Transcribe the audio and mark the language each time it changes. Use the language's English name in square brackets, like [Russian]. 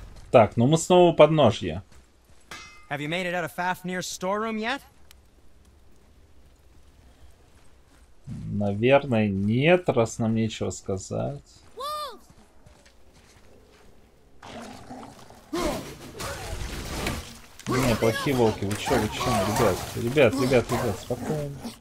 [Russian] Так, ну мы снова у подножья. [English] Have you made it out of Fafnir's storeroom yet? [Russian] Наверное, нет, раз нам нечего сказать. [English] Wolves! [Russian] Не, плохие волки, вы чё, ребят, спокойно.